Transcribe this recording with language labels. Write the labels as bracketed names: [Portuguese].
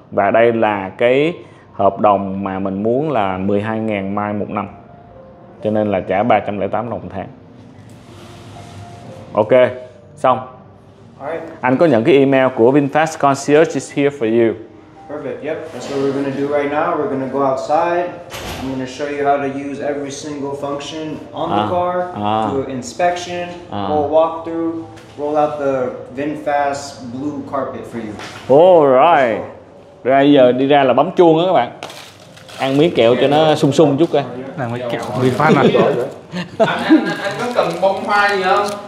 [Vietnamese] Và đây là cái hợp đồng mà mình muốn là 12.000 mai một năm, cho nên là trả 308 đồng một tháng. Ok, xong. [English] Alright. [Vietnamese] Anh có nhận cái email của VinFast Concierge [English] is here for you. Perfect, yep, that's what we're gonna do right now. We're gonna go outside. I'm gonna show you how to use every single function on the car. Do an inspection, roll walkthrough, roll out the VinFast blue carpet for you. Alright. [Vietnamese] Rồi giờ đi ra là bấm chuông đó các bạn. Ăn miếng kẹo cho nó sung sung chút coi. Làm cái kẹo VinFast này. Anh có cần bông hoa gì không?